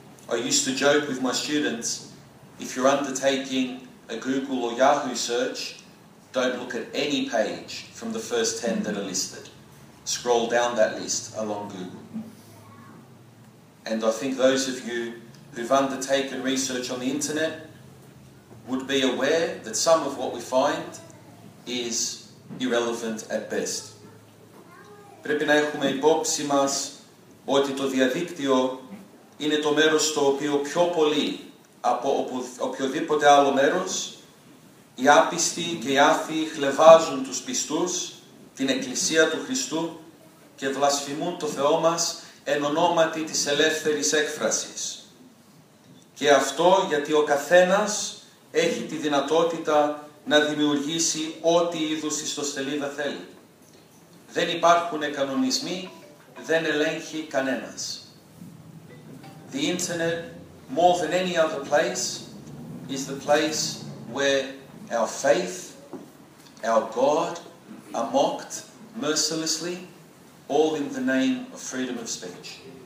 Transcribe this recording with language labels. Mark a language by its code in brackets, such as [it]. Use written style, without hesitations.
[en] I used to joke with my students, if you're undertaking a Google or Yahoo search, don't look at any page from the first 10 that are listed. Scroll down that list along Google. And I think those of you who've undertaken research on the internet would be aware that some of what we find is irrelevant at best. [el] Πρέπει να έχουμε υπόψη μας ότι το διαδίκτυο είναι το μέρος στο οποίο πιο πολύ από οποιοδήποτε άλλο μέρος οι άπιστοι και οι άθιοι χλευάζουν τους πιστούς, την Εκκλησία του Χριστού και βλασφημούν το Θεό μας εν ονόματι της ελεύθερης έκφρασης. Και αυτό γιατί ο καθένας έχει τη δυνατότητα να δημιουργήσει ό,τι είδους ιστοσελίδα θέλει. Δεν υπάρχουν κανονισμοί, δεν ελέγχει κανένας. [en] The internet, more than any other place, is the place where our faith, our God, are mocked mercilessly, all in the name of freedom of speech.